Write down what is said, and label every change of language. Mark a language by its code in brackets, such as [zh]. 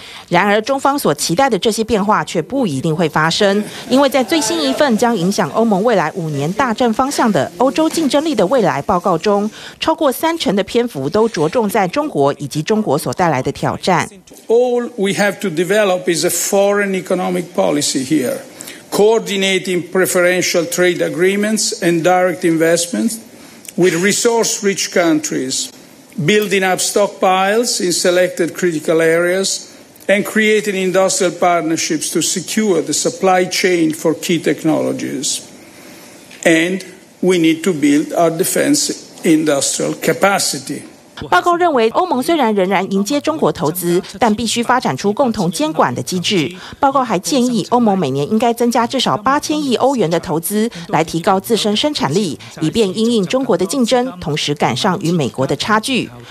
[zh] 然而，中方所期待的这些变化却不一定会发生，因为在最新一份将影响欧盟未来五年大战方向的欧洲竞争力的未来报告中，超过三成的篇幅都着重在中国以及中国所带来的挑战。 [en] All we have to develop is a foreign economic policy here. Coordinating preferential trade agreements and direct investments with resource-rich countries, building up stockpiles in selected critical areas, and creating industrial partnerships to secure the supply chain for key technologies. And we need to build our defense industrial capacity. [zh] 报告认为，欧盟虽然仍然迎接中国投资，但必须发展出共同监管的机制。报告还建议，欧盟每年应该增加至少8000亿欧元的投资，来提高自身生产力，以便因应中国的竞争，同时赶上与美国的差距。